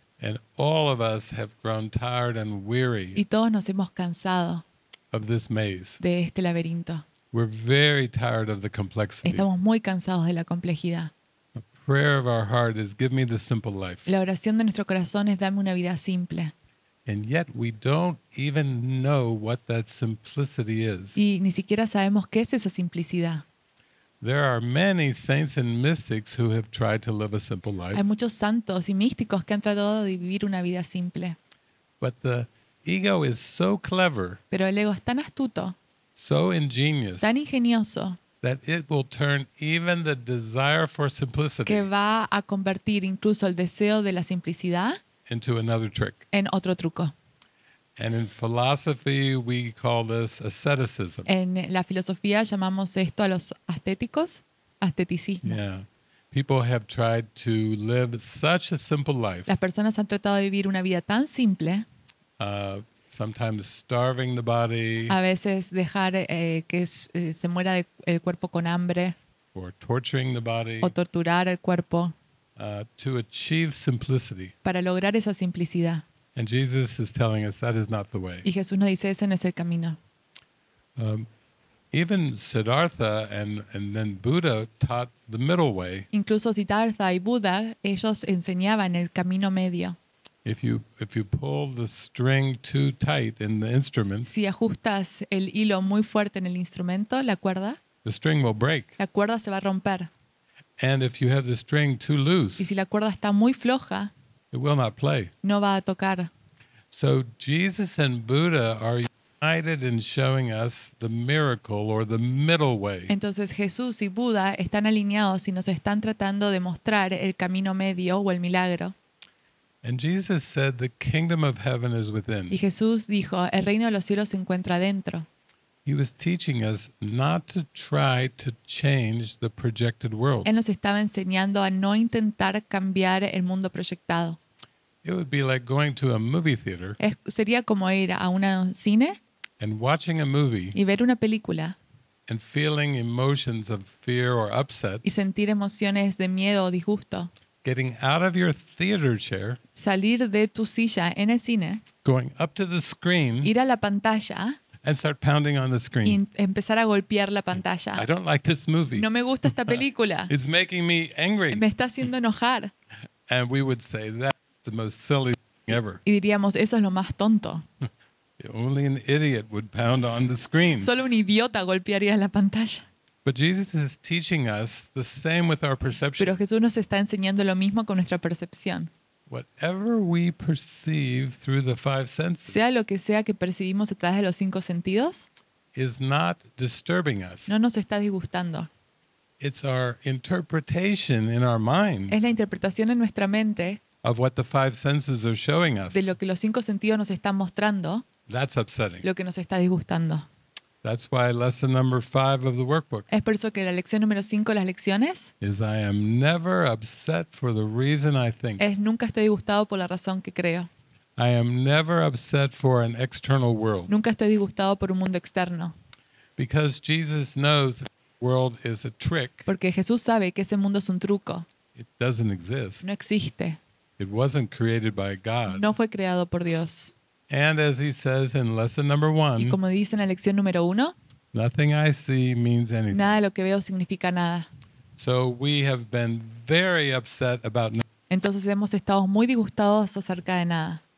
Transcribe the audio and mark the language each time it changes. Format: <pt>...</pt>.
<en>And all of us have grown tired and weary.</en> <es>Y todos nos hemos cansado.</es> <en>Of this maze.</en> <es>De este laberinto.</es> <en>We're very tired of the complexity.</en> <es>Estamos muy cansados de la complejidad.</es> <en>Prayer of our heart is give me the simple life.</en> <es>La oración de nuestro corazón es dame una vida simple.</es> <en>And yet we don't even know what that simplicity is.</en> <es>Y ni siquiera sabemos qué es esa simplicidad.</es> <en>There are many saints and mystics who have tried to live a simple life.</en> <es>Hay muchos santos y místicos que han tratado de vivir una vida simple.</es> <en>But the ego is so clever.</en> <es>Pero el ego es tan astuto.</es> <en>So ingenious.</en> <es>Tan ingenioso.</es> <en>That it will turn even the desire for simplicity.</en> <es>Que va a convertir incluso el deseo de la simplicidad.</es> <en>Into another trick.</en> <es>En otro truco.</es> <en>And in philosophy, we call this asceticism.</en> <es>En la filosofía llamamos esto a los ascéticos, asceticismo.</es> <en>Yeah. People have tried to live such a simple life.</en> <es>Las personas han tratado de vivir una vida tan simple.</es> <en>Sometimes starving the body.</en> <es>A veces dejar que se muera el cuerpo con hambre.</es> <en>Or torturing the body.</en> <es>O torturar el cuerpo.</es> <en>To achieve simplicity.</en> <es>Para lograr esa simplicidad.</es> <en>And Jesus is telling us that is not the way.</en> <es>Y Jesús nos dice ese no es el camino.</es> <en>Even Siddhartha and then Buddha taught the middle way.</en> <es>Incluso Siddhartha y Buda, ellos enseñaban el camino medio.</es> <en>If you pull the string too tight in the instrument.</en> <es>Si ajustas el hilo muy fuerte en el instrumento, la cuerda.</es> <en>The string will break.</en> <es>La cuerda se va a romper.</es> <en>And if you have the string too loose.</en> <es>Y si la cuerda está muy floja.</es> <en>It will not play.</en> <es>No va a tocar.</es> <en>So Jesus and Buddha are united in showing us the miracle or the middle way.</en> <es>Entonces Jesús y Buda están alineados y nos están tratando de mostrar el camino medio o el milagro.</es> <en>And Jesus said the kingdom of heaven is within.</en> <es>Y Jesús dijo, el reino de los cielos se encuentra dentro.</es> <en>He was teaching us not to try to change the projected world.</en> <es>Él nos estaba enseñando a no intentar cambiar el mundo proyectado.</es> <en>It would be like going to a movie theater.</en> <es>Sería como ir a un cine.</es> <en>And watching a movie.</en> <es>Y ver una película.</es> <en>And feeling emotions of fear or upset.</en> <es>Y sentir emociones de miedo o disgusto.</es> <en>Getting out of your theater chair.</en> <es>Salir de tu silla en el cine.</es> <en>Going up to the screen.</en> <es>Ir a la pantalla.</es> <en>And start pounding on the screen.</en> <es>Y empezar a golpear la pantalla.</es> <en>I don't like this movie.</en> <es>No me gusta esta película.</es> <en>It's making me angry.</en> <es>Me está haciendo enojar.</es> <en>And we would say that's the most silly thing ever.</en> <es>Y diríamos eso es lo más tonto.</es> <en>Only an idiot would pound on the screen.</en> <es>Solo un idiota golpearía la pantalla.</es> <en>But Jesus is teaching us the same with our perception.</en> <es>Pero Jesús nos está enseñando lo mismo con nuestra percepción.</es> <en>Whatever we perceive through the five senses,</en> <es>sea lo que sea que percibimos a través de los cinco sentidos,</es> <en>is not disturbing us.</en> <es>No nos está disgustando.</es> <en>It's our interpretation in our mind.</en> <es>Es la interpretación en nuestra mente.</es> <en>Of what the five senses are showing us.</en> <es>De lo que los cinco sentidos nos están mostrando.</es> <en>That's upsetting.</en> <es>Lo que nos está disgustando.</es> <en>That's why lesson number 5 of the workbook.</en> <es>Es por eso que la lección número 5 de las lecciones.</es> <en>Is I am never upset for the reason I think.</en> <es>Es nunca estoy disgustado por la razón que creo.</es> <en>I am never upset for an external world.</en> <es>Nunca estoy disgustado por un mundo externo.</es> <en>Because Jesus knows that the world is a trick.</en> <es>Porque Jesús sabe que ese mundo es un truco.</es> <en>It doesn't exist.</en> <es>No existe.</es> <en>It wasn't created by God.</en> <es>No fue creado por Dios.</es> <en>And as he says in lesson number 1.</en> <es>Y como dice en la lección número 1.</es> <en>Nothing I see means anything.</en> <es>Nada de lo que veo significa nada.</es> <en>So we have been very upset about nothing.</en> <es>Entonces hemos estado muy disgustados acerca de nada.</es>